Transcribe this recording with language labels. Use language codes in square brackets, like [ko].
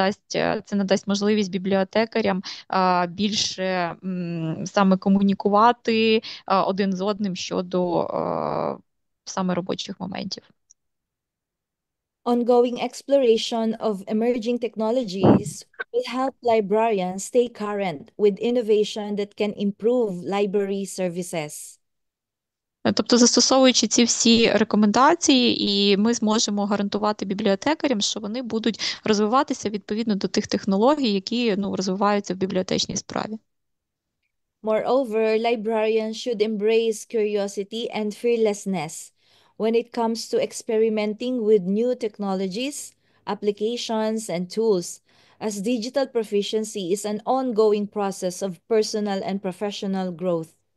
[uk] Це надасть можливість бібліотекарям більше саме комунікувати один з одним щодо саме робочих моментів. [en] Ongoing exploration of emerging technologies will help librarians stay current with innovation that can improve library services. [uk] Тобто, застосовуючи ці всі рекомендації, і ми зможемо гарантувати бібліотекарям, що вони будуть розвиватися відповідно до тих технологій, які, розвиваються в бібліотечній справі. [en] Moreover, librarians should embrace curiosity and fearlessness when it comes to experimenting with new technologies, applications, and tools, as digital proficiency is an ongoing process of personal and professional growth.